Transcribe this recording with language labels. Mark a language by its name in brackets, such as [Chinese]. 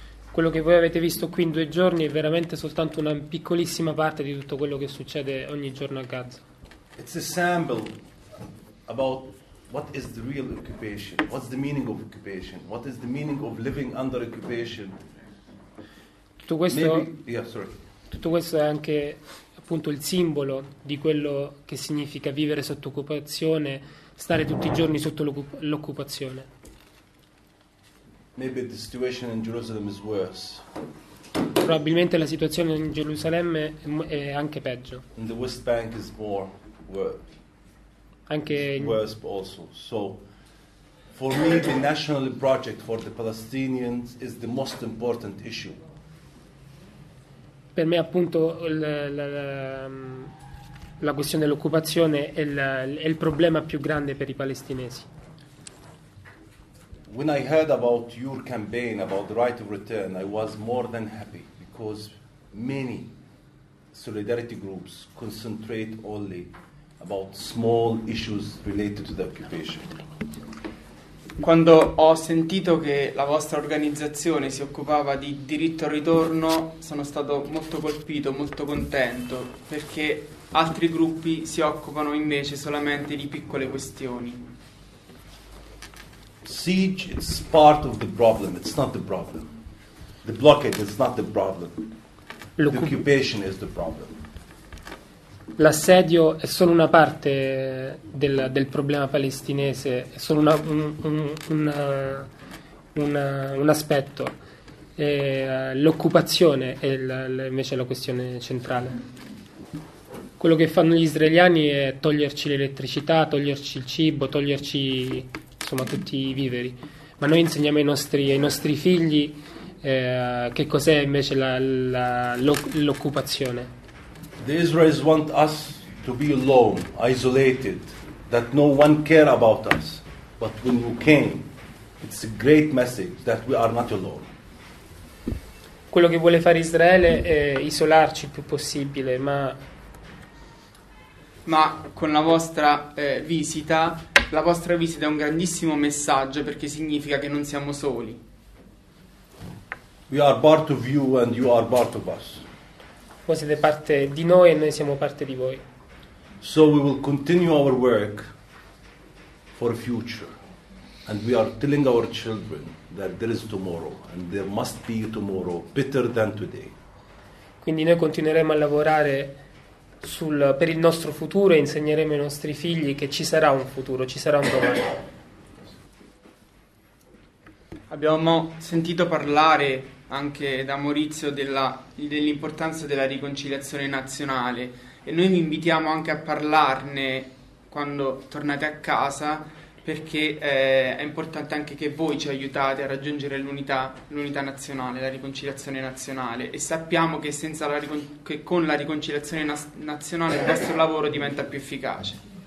[Italian] Quello che voi avete visto qui in due giorni è veramente soltanto una piccolissima parte di tutto quello che succede ogni giorno a Gaza. [English] It's a sample about what is the real occupation, what's the meaning of occupation, what is the meaning of living under occupation. [Italian] Tutto questo è anche appunto il simbolo di quello che significa vivere sotto occupazione, stare tutti i giorni sotto l'occupazione. [English] Maybe the situation in Jerusalem is worse. [Italian] Probabilmente la situazione in Gerusalemme è anche peggio. [English] And the West Bank is more worse. [Italian] Anche [English] worse also. So for me the national project for the Palestinians is the most important issue. [Italian] Per me appunto la questione dell'occupazione è il problema più grande per i palestinesi. [English] When I heard about your campaign about the right of return, I was more than happy because many solidarity groups concentrate only about small issues related to the occupation. [Italian] Quando ho sentito che la vostra organizzazione si occupava di diritto al ritorno, sono stato molto colpito, molto contento, perché altri gruppi si occupano invece solamente di piccole questioni. [English] Siege is part of the problem, it's not the problem. The blockade is not the problem. The occupation is the problem. [Italian] L'assedio è solo una parte del problema palestinese, è solo un aspetto. L'occupazione è invece la questione centrale. Quello che fanno gli israeliani è toglierci l'elettricità, toglierci il cibo, toglierci insomma tutti i viveri. Ma noi insegniamo ai nostri figli che cos'è invece l'occupazione. [English] The Israelis want us to be alone, isolated, that no one care about us. But when you came, it's a great message that we are not alone. [Italian] Quello che vuole fare Israele è isolarci il più possibile, ma con la vostra visita, la vostra visita è un grandissimo messaggio perché significa che non siamo soli. [English] We are part of you and you are part of us. [Italian] Voi siete parte di noi e noi siamo parte di voi. [English] So we will continue our work for future. And we are telling our children that there is tomorrow and there must be tomorrow better than today. [Italian] Quindi noi continueremo a lavorare per il nostro futuro e insegneremo ai nostri figli che ci sarà un futuro, ci sarà un domani. Abbiamo sentito parlare anche da Maurizio dell'importanza della riconciliazione nazionale e noi vi invitiamo anche a parlarne quando tornate a casa, perché è importante anche che voi ci aiutate a raggiungere l'unità nazionale, la riconciliazione nazionale, e sappiamo che con la riconciliazione nazionale il vostro lavoro diventa più efficace.